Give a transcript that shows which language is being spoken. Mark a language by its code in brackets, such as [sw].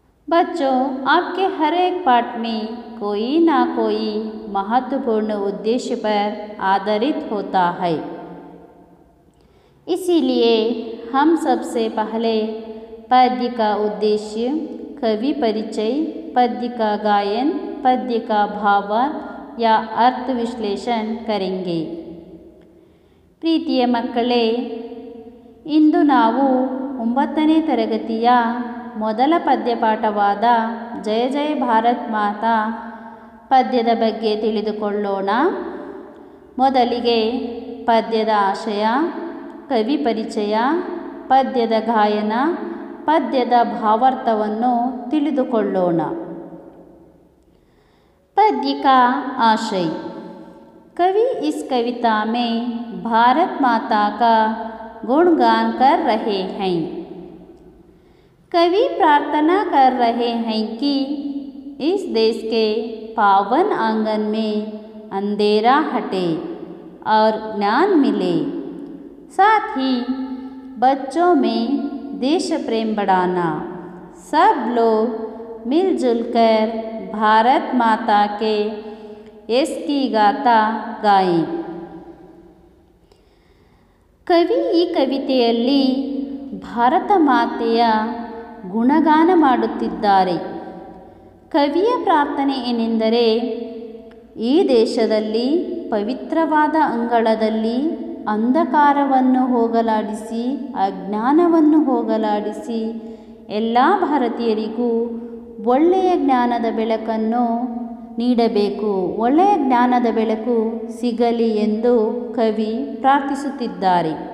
[hi] बच्चों, आपके हर एक पाठ में कोई ना कोई महत्वपूर्ण उद्देश्य पर आधारित होता है, इसीलिए हम सबसे पहले पद्य का उद्देश्य, कवि परिचय, पद्य का गायन, पद्य का भाव या अर्थ विश्लेषण करेंगे। [kn] ಪ್ರೀತಿಯ ಮಕ್ಕಳೇ, ಇಂದು ನಾವು 9ನೇ ತರಗತಿಯ ಮೊದಲ ಪದ್ಯಪಾಠವಾದ ಜಯ ಜಯ ಭಾರತ್ ಮಾತಾ ಪದ್ಯದ ಬಗ್ಗೆ ತಿಳಿದುಕೊಳ್ಳೋಣ. ಮೊದಲಿಗೆ ಪದ್ಯದ ಆಶಯ, ಕವಿ ಪರಿಚಯ, ಪದ್ಯದ ಗಾಯನ, ಪದ್ಯದ ಭಾವಾರ್ಥವನ್ನು ತಿಳಿದುಕೊಳ್ಳೋಣ. ಪದ್ಯಕ ಆಶಯ. [hi] कवि इस कविता में भारत माता का गुणगान कर रहे हैं। कवि प्रार्थना कर रहे हैं कि इस देश के पावन आंगन में अंधेरा हटे और ज्ञान मिले, साथ ही बच्चों में देश प्रेम बढ़ाना, सब लोग मिलजुल कर भारत माता के इसकी गाथा गाए। [kn] कवि ಈ ಕವಿತೆಯಲ್ಲಿ ಭಾರತ ಮಾತೆಯ ಗುಣಗಾನ ಮಾಡುತ್ತಿದ್ದಾರೆ. ಕವಿಯ ಪ್ರಾರ್ಥನೆ ಏನೆಂದರೆ, ಈ ದೇಶದಲ್ಲಿ ಪವಿತ್ರವಾದ ಅಂಗಳದಲ್ಲಿ ಅಂಧಕಾರವನ್ನು ಹೋಗಲಾಡಿಸಿ, ಅಜ್ಞಾನವನ್ನು ಹೋಗಲಾಡಿಸಿ, ಎಲ್ಲ ಭಾರತೀಯರಿಗೂ ಒಳ್ಳೆಯ ಜ್ಞಾನದ ಬೆಳಕನ್ನು ನೀಡಬೇಕು, ಒಳ್ಳೆಯ ಜ್ಞಾನದ ಬೆಳಕು ಸಿಗಲಿ ಎಂದು ಕವಿ ಪ್ರಾರ್ಥಿಸುತ್ತಿದ್ದಾರೆ.